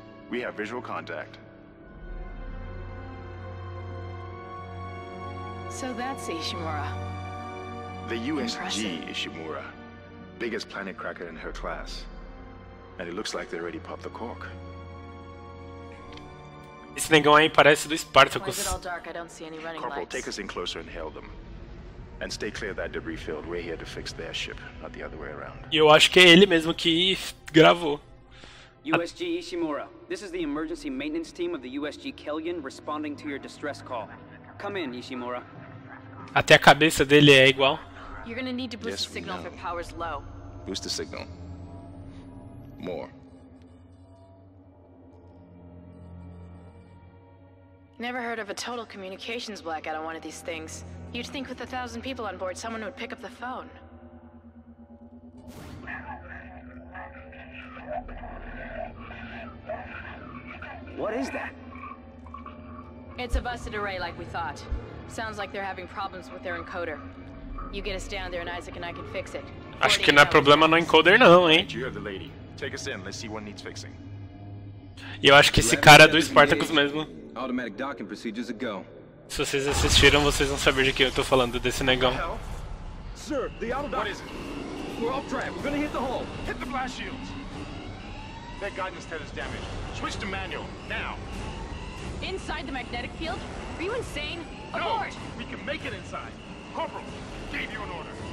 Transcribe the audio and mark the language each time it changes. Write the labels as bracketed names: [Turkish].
[English] We have visual contact. So that's Ishimura. The USG Ishimura. Biggest planet cracker in her class. And it looks like they already popped the cork. [Portuguese] Esse negão aí parece do Spartacus. [English] Corporal, take us in closer and hail them. And stay clear of that debris field. We're here to fix their ship, not the other way around. [Portuguese] Eu acho que é ele mesmo que gravou. [English] USG Ishimura, this is the emergency maintenance team of the USG Kellyan responding to your distress call. Come in, Ishimura. [Portuguese] Até a cabeça dele é igual. [English] You're gonna need to boost the signal if power's low. Boost the signal. More. Never heard of a total communications blackout on one of these things. You'd think with 1,000 people on board, someone would pick up the phone. What is that? It's a busted array like we thought. Sounds like they're having problems with their encoder. You get us down there and Isaac and I can fix it. [Portuguese] Acho que não é problema no encoder não, hein? [English] You're the lady. Take us in, let's see what needs fixing. [Portuguese] Eu acho que esse cara é do Spartacus mesmo. [English] Automatic docking procedures a go. [Portuguese] Se vocês assistiram, vocês vão saber de quem eu tô falando, desse negão. [English] Sir, the auto dock. What is it? We're off track. We're gonna hit the hull. Hit the blast shields. That guidance tether's damaged. Switch to manual now. Inside the magnetic field? Are you insane? No, abort. We can make it inside. Corporal, gave you an order.